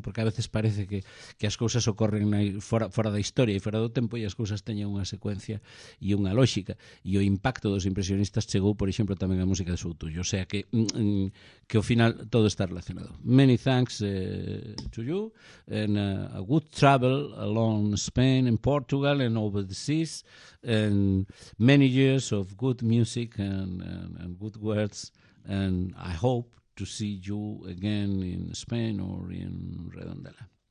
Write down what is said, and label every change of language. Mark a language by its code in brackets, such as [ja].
[gl] Porque a veces parece que as cousas ocorren fora da historia e fora do tempo e as cousas teñen unha secuencia e unha lógica. E o impacto dos impresionistas chegou, por exemplo, tamén a música de Souto. [es] O sea que al final todo está relacionado. [en] Many thanks to you and a good travel along Spain and Portugal and over the seas and many years of good music and good words and I hope to see you again in Spain or in Redondela.